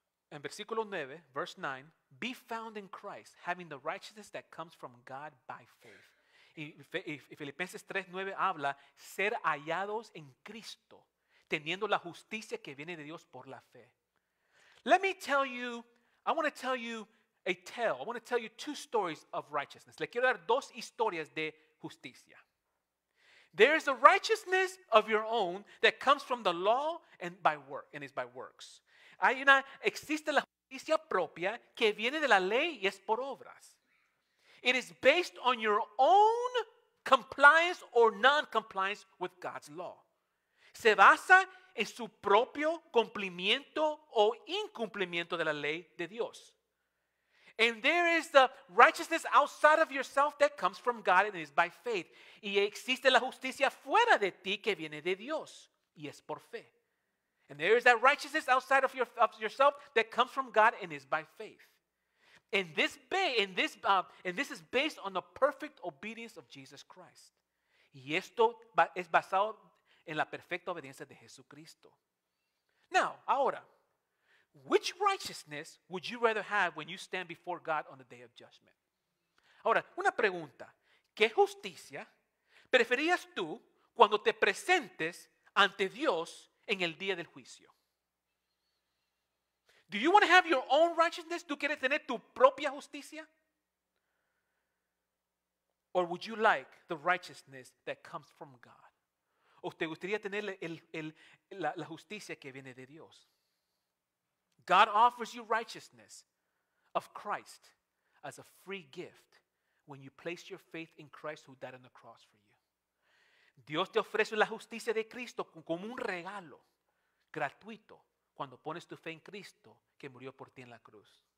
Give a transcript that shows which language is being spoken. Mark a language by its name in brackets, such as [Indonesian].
[Spanish] En versículo 9, [English] verse 9, be found in Christ, having the righteousness that comes from God by faith. [Spanish] Y Filipenses 3:9 habla, ser hallados en Cristo, teniendo la justicia que viene de Dios por la fe. [English] Let me tell you, I want to tell you a tale. I want to tell you two stories of righteousness. [Spanish] Le quiero dar dos historias de justicia. [English] There is a righteousness of your own that comes from the law and by work, and is by works. [Spanish] Hay una, existe la justicia propia que viene de la ley y es por obras. [English] It is based on your own compliance or non-compliance with God's law. [Spanish] Se basa en su propio cumplimiento o incumplimiento de la ley de Dios. [English] And there is the righteousness outside of yourself that comes from God and is by faith. [Spanish] Y existe la justicia fuera de ti que viene de Dios y es por fe. [English] And there is that righteousness outside of, of yourself that comes from God and is by faith. And this, and this is based on the perfect obedience of Jesus Christ. [Spanish] Y esto es basado en la perfecta obediencia de Jesucristo. [English] Now, ahora, which righteousness would you rather have when you stand before God on the day of judgment? [Spanish] Ahora, una pregunta. ¿Qué justicia preferirías tú cuando te presentes ante Dios en el día del juicio? [English] Do you want to have your own righteousness? [Spanish] ¿Tú quieres tener tu propia justicia? [English] Or would you like the righteousness that comes from God? [Spanish] ¿O te gustaría tener la justicia que viene de Dios? [English] God offers you righteousness of Christ as a free gift when you place your faith in Christ who died on the cross for you. [Spanish] Dios te ofrece la justicia de Cristo como un regalo gratuito cuando pones tu fe en Cristo que murió por ti en la cruz.